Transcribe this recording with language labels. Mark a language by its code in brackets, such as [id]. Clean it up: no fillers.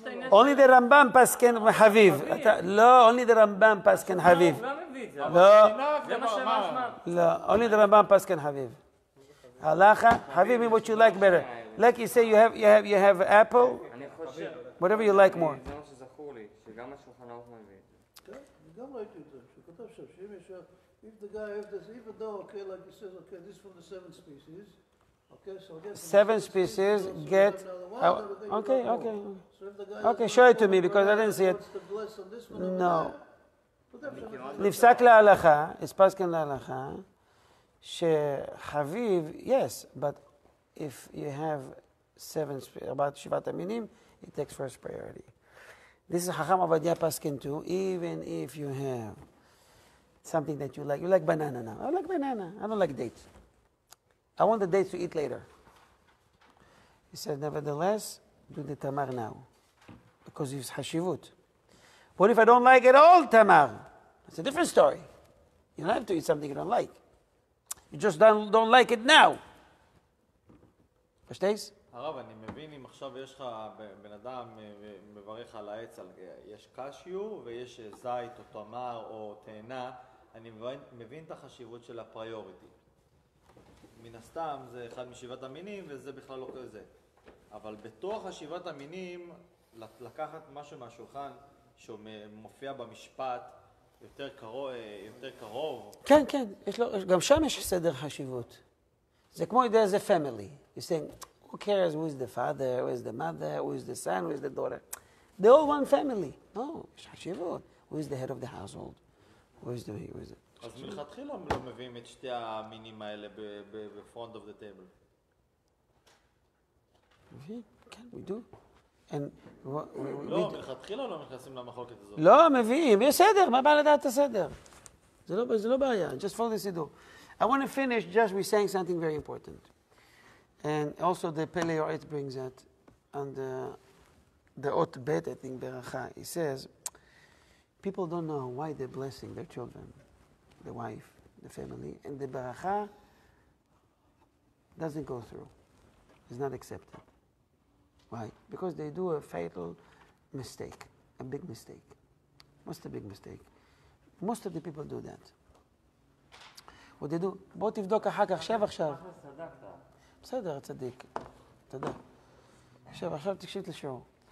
[en] Only the Rambam [he] פסקן חביב. לא, [en] only the Rambam פסקן חביב. לא. [he] לא, [en] only the Rambam [he] פסקן חביב. הלכה, חביב, מי [en] what you like better. Like you say, you have apple. [he] אני חושב. [en] Whatever you like more. [he] זה מה שזכור לי, שגם השולחן ערוך מביא. כן, אני גם ראיתי את זה. שכתב שם, שאם יש... [en] If the guy, if there's even though, okay, like he says, okay, this is from the seven species, okay, so I guess... Seven species get... Okay, okay. So if the guy... Okay, show it to me, because I didn't see it. ...wants to bless on this one. No. [he] Nifsak la'alacha, [en] it's paskin la'alacha, שחביב, yes, but if you have seven, about [he] שבעת המינים, [en] it takes first priority. This is Chacham Avadia paskin too, even if you have something that you like. You like banana now. I like banana. I don't like dates. I want the dates to eat later. He said, nevertheless, do the tamar now. Because it's hashivut. What if I don't like at all tamar? It's a different story. You don't have to eat something you don't like. You just don't like it now. Pashteis? [he] הרב, אני מבין אם עכשיו יש לך בן אדם מברך על העץ, יש קשיו ויש זית או תמר או תאנה, אני מבין את החשיבות של הפריוריטי. מן הסתם זה אחד משבעת המינים וזה בכלל לא כזה. אבל בתוך השבעת המינים, לקחת משהו מהשולחן שמופיע במשפט יותר קרוב. כן, כן, יש לו, גם שם יש סדר חשיבות. זה כמו יודע, זה פמילי. [en] Who cares who is the father, who is the mother, who is the son, who is the daughter? They're all one family. No, it's חשיבות. Who is the head of the household? Who is the... [he] אז מלכתחיל הם לא מביאים את שתי המינים האלה בפרונט [en] of the table. [he] כן, [en] we do. And [he] לא, מלכתחיל הם לא מכנסים למחלוקת הזאת. לא, מביאים. יש סדר, מה בא לדעת את הסדר? זה לא בעיה. [en] Just follow the [he] סידור. [en] I want to finish just by saying something very important. And also the Pele Yoret brings that on the Ot Bet, I think, Beracha. He says, people don't know why they're blessing their children, the wife, the family, and the Beracha doesn't go through. It's not accepted. Why? Because they do a fatal mistake, a big mistake. What's the big mistake? Most of the people do that. What they do, [he] בוא תבדוק אחר כך, שב עכשיו. בסדר, צדיק. תודה. עכשיו, עכשיו תקשיב לשיעור.